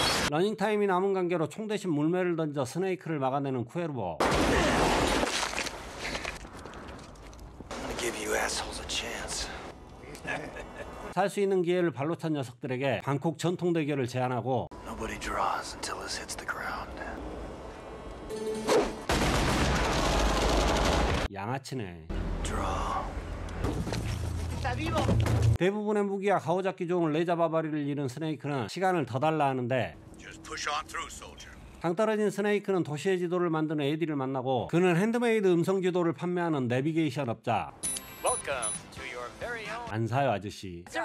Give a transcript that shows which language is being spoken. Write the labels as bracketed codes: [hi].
[ko] 러닝타임이 남은 관계로 총 대신 물매를 던져 스네이크를 막아내는 쿠에르보. [en] Give you assholes a chance. [ko] 살 수 있는 기회를 발로 찬 녀석들에게 방콕 전통 대결을 제안하고 [en] Nobody draws until this hits the ground. [ko] 양아치네. [en] Draw. [ko] 대부분의 무기와 가오잡기 종을 내잡아버리를 잃은 스네이크는 시간을 더 달라 하는데 강 떨어진 스네이크는 도시의 지도를 만드는 에디를 만나고 그는 핸드메이드 음성 지도를 판매하는 내비게이션 업자 안 사요 아저씨